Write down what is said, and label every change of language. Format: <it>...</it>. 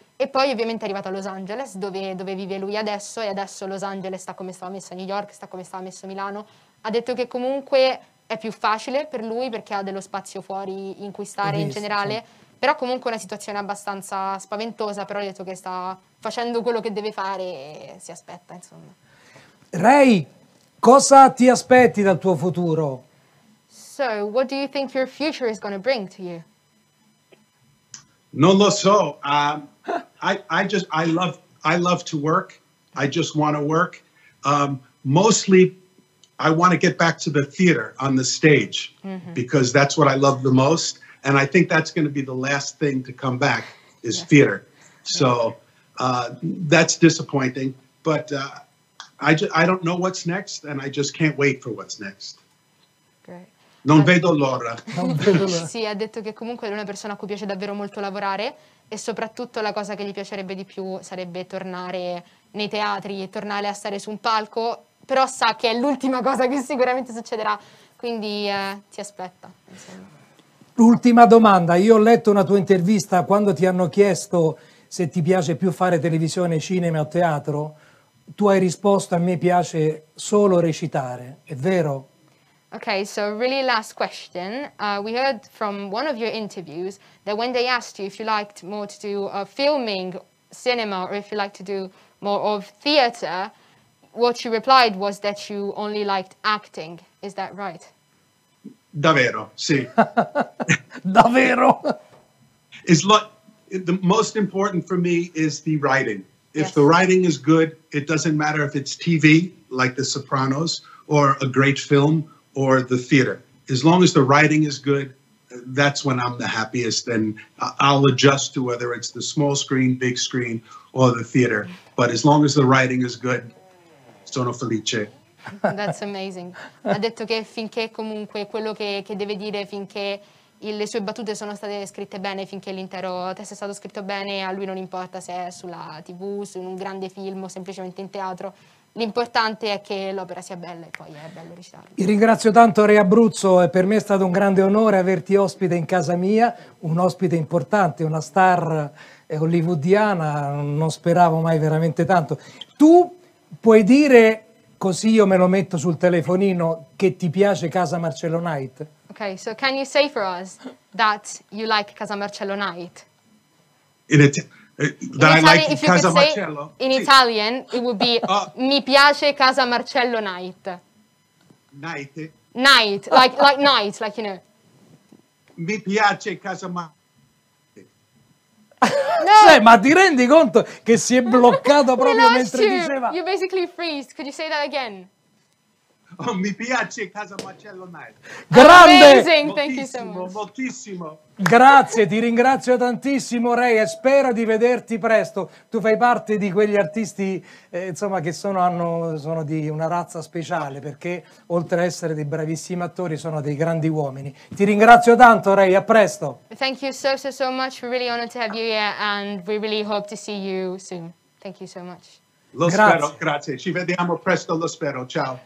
<it>E poi ovviamente è arrivato a Los Angeles, dove vive lui adesso, e adesso Los Angeles sta come stava messo a New York, sta come stava messo a Milano. Ha detto che comunque è più facile per lui perché ha dello spazio fuori in cui stare in generale, però comunque è una situazione abbastanza spaventosa, però ha detto che sta facendo quello che deve fare e si aspetta, insomma. Ray, cosa ti aspetti dal tuo futuro?</it> <en>So, what do you think your future is going to bring to you?</en> <it>Non lo so.</it> <en>I love to work. I just want to work. Mostly, I want to get back to the theater on the stage because that's what I love the most. And I think that's going to be the last thing to come back is theater. So that's disappointing, but I don't know what's next, and I just can't wait for what's next. Great.</en> <it>Non vedo l'ora. Sì, ha detto che comunque è una persona a cui piace davvero molto lavorare, e soprattutto la cosa che gli piacerebbe di più sarebbe tornare nei teatri e tornare a stare su un palco, però sa che è l'ultima cosa che sicuramente succederà, quindi ti aspetta. Insomma. Ultima domanda. Io ho letto una tua intervista quando ti hanno chiesto se ti piace più fare televisione, cinema o teatro. Tu hai risposto, a me piace solo recitare, è vero?</it> <en>Okay, so really last question. We heard from one of your interviews that when they asked you if you liked more to do filming, cinema, or if you like to do more of theater, what you replied was that you only liked acting. Is that right?</en> <it>Davvero, sì. Davvero.</it> <en>The most important for me is the writing. If the writing is good, it doesn't matter if it's TV, like The Sopranos, or a great film, or the theater. As long as the writing is good, that's when I'm the happiest, and I'll adjust to whether it's the small screen, big screen, or the theater. But as long as the writing is good,</en> <it>sono felice.</it> <en>That's amazing.</en> <it>Ha detto che finché comunque quello che deve dire, finché le sue battute sono state scritte bene, finché l'intero testo è stato scritto bene, a lui non importa se è sulla TV, su un grande film o semplicemente in teatro. L'importante è che l'opera sia bella e poi è bello recitarla. Ti ringrazio tanto, Ray Abruzzo, e per me è stato un grande onore averti ospite in casa mia, un ospite importante, una star hollywoodiana, non speravo mai veramente tanto. Tu puoi dire, così io me lo metto sul telefonino, che ti piace Casa Marcello Knight?</it> <en>Okay, so can you say for us that you like Casa Marcello Knight? In Italian, it would be</en> <it>mi piace Casa Marcello Knight.</it> <en>Knight. Night, like night, like, you know.</en> <it>Mi piace casa ma. No. Cioè, ma ti rendi conto che si è bloccato proprio mentre</it> <en>you.</en> <it>Diceva?</it> <en>You basically freeze. Could you say that again?</en> <it>Oh, mi piace casa Marcello Night. Grande!</it> <en>Amazing, thank you so much.</en> <it>Moltissimo. Grazie, ti ringrazio tantissimo, Ray, e spero di vederti presto. Tu fai parte di quegli artisti, insomma, che sono di una razza speciale, perché oltre a essere dei bravissimi attori, sono dei grandi uomini. Ti ringrazio tanto, Ray, a presto.</it> <en>Thank you so, so, so much. We're really honored to have you here, and we really hope to see you soon. Thank you so much.</en> <it>Lo spero, grazie. Ci vediamo presto, lo spero. Ciao.</it>